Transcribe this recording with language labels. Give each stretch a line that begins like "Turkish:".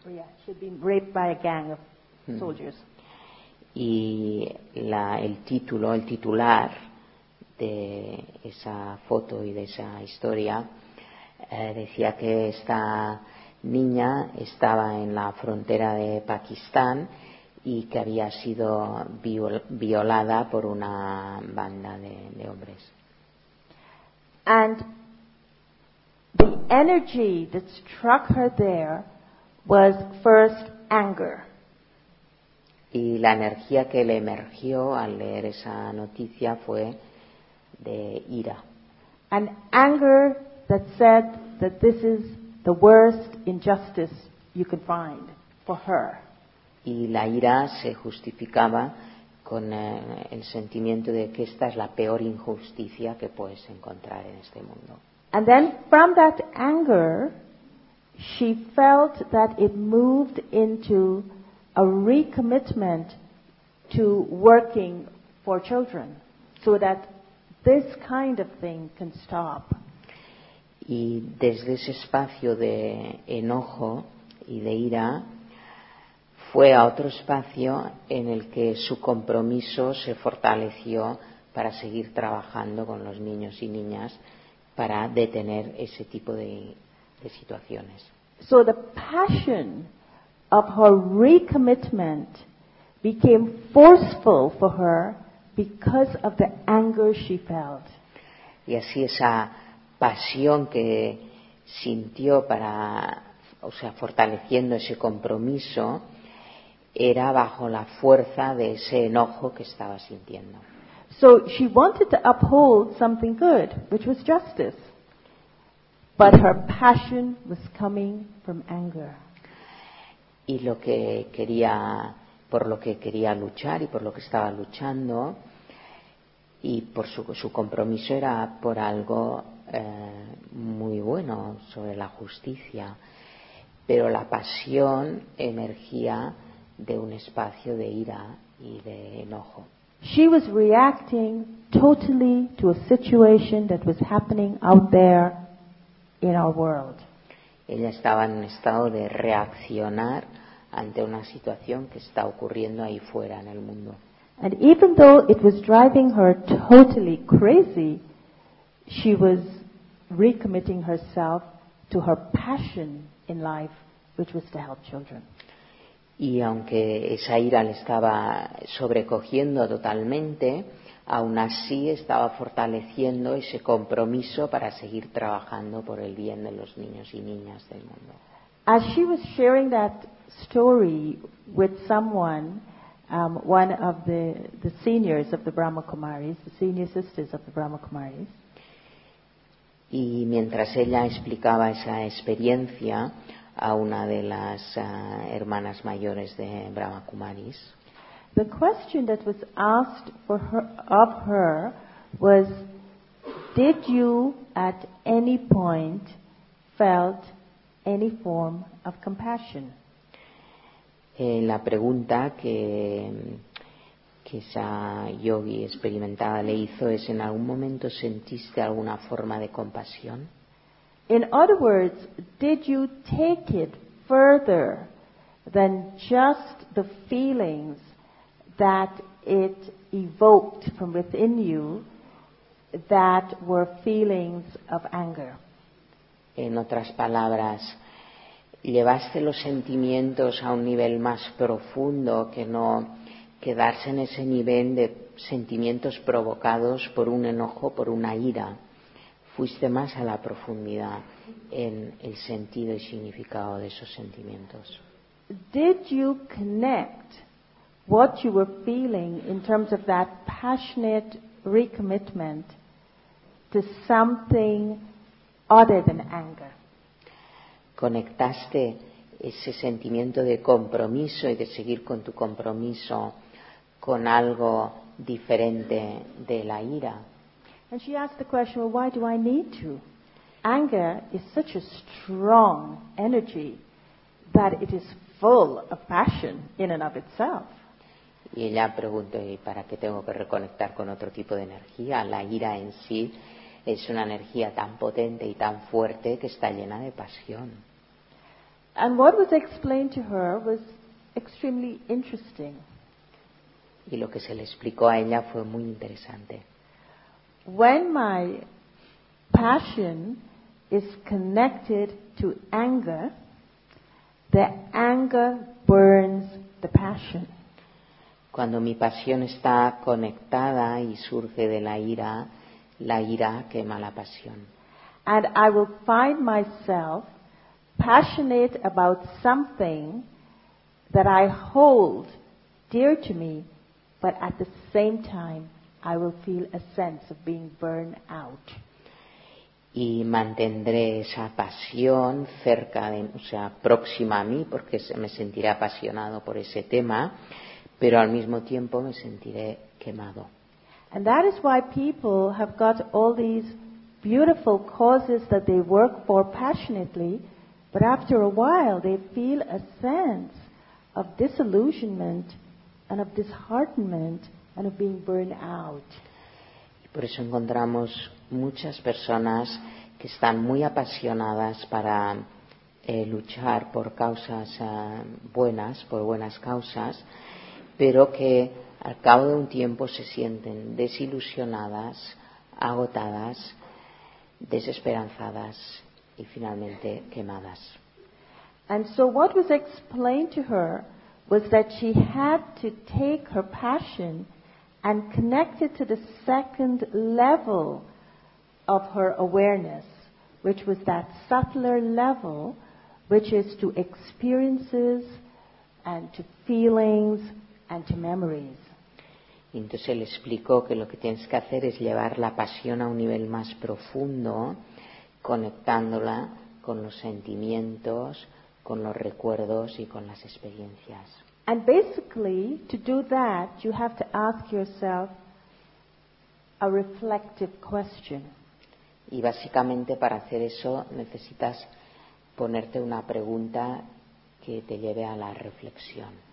English: Yeah, she had been raped by a gang of soldiers.
Spanish: Y el titular de esa foto y de esa historia decía que esta niña estaba en la frontera de Pakistán y que había sido violada por una banda de hombres.
English: And the energy that struck her there was first anger.
Spanish: Y la energía que le emergió al leer esa noticia fue de ira.
English: An anger that said that this is the worst injustice you can find for her.
Spanish: Y la ira se justificaba con el sentimiento de que esta es la peor injusticia que puedes encontrar en este mundo.
English: And then from that anger, she felt that it moved into a recommitment to working for children so that this kind of thing can stop.
Spanish: Y desde ese espacio de enojo y de ira fue a otro espacio en el que su compromiso se fortaleció para seguir trabajando con los niños y niñas para detener ese tipo de situaciones.
English: So the passion of her recommitment became forceful for her because of the anger she felt.
Spanish: Y así esa pasión que sintió para, o sea, fortaleciendo ese compromiso, era bajo la fuerza de ese enojo que estaba sintiendo.
English: So she wanted to uphold something good, which was justice. But her passion was coming from anger.
Spanish: Y lo que quería, por lo que quería luchar y por lo que estaba luchando, y por su compromiso era por algo muy bueno, sobre la justicia. Pero la pasión emergía de un espacio de ira y de enojo.
English: She was reacting totally to a situation that was happening out there in our world.
Spanish: Ella estaba en un estado de reaccionar ante una situación que está ocurriendo ahí fuera en el mundo.
English: And even though it was driving her totally crazy, she was recommitting herself to her passion in life, which was to help children.
Spanish: Y aunque esa ira le estaba sobrecogiendo totalmente, aún así estaba fortaleciendo ese compromiso para seguir trabajando por el bien de los niños y niñas del mundo.
English: As she was sharing that story with someone, one of the seniors of the Brahma Kumaris, the senior sisters of the Brahma Kumaris.
Spanish: Y mientras ella explicaba esa experiencia a una de las hermanas mayores de Brahma Kumaris.
English: The question that was asked for her, of her, was, did you at any point felt any form of compassion?
Spanish: La pregunta que esa yogi experimentada le hizo es, ¿en algún momento sentiste alguna forma de compasión?
English: In other words, did you take it further than just the feelings that it evoked from within you that were feelings of anger?
Spanish: En otras palabras, ¿llevaste los sentimientos a un nivel más profundo que no quedarse en ese nivel de sentimientos provocados por un enojo, por una ira? ¿Fuiste más a la profundidad en el sentido y significado de esos sentimientos?
English: Did you connect what you were feeling in terms of that passionate recommitment to something other than anger?
Spanish: ¿Conectaste ese sentimiento de compromiso y de seguir con tu compromiso con algo diferente de la ira?
English: And she asked the question, well, why do I need to? Anger is such a strong energy that it is full of passion in and of itself.
Spanish: Y ella preguntó, ¿y para qué tengo que reconectar con otro tipo de energía? La ira en sí es una energía tan potente y tan fuerte que está llena de pasión.
English: And what was explained to her was extremely interesting.
Spanish: Y lo que se le explicó a ella fue muy interesante.
English: When my passion is connected to anger, the anger burns the passion.
Spanish: Cuando mi pasión está conectada y surge de la ira quema la pasión.
English: And I will find myself passionate about something that I hold dear to me, but at the same time, I will feel a sense of being burned out.
Spanish: Y mantendré esa pasión cerca de, o sea, próxima a mí, porque me sentiré apasionado por ese tema, pero al mismo tiempo me sentiré quemado.
English: And that is why people have got all these beautiful causes that they work for passionately, but after a while they feel a sense of disillusionment and of disheartenment and of being burned out.
Spanish: Y por eso encontramos muchas personas que están muy apasionadas para luchar por causas buenas, por buenas causas, pero que al cabo de un tiempo se sienten desilusionadas, agotadas, desesperanzadas y finalmente quemadas.
English: And so what was explained to her was that she had to take her passion and connect it to the second level of her awareness, which was that subtler level, which is to experiences and to feelings and to memories.
Spanish: Entonces le explicó que lo que tienes que hacer es llevar la pasión a un nivel más profundo, conectándola con los sentimientos, con los recuerdos y con las experiencias.
English: And basically, to do that, you have to ask yourself a reflective question.
Spanish: Y básicamente para hacer eso necesitas ponerte una pregunta que te lleve a la reflexión.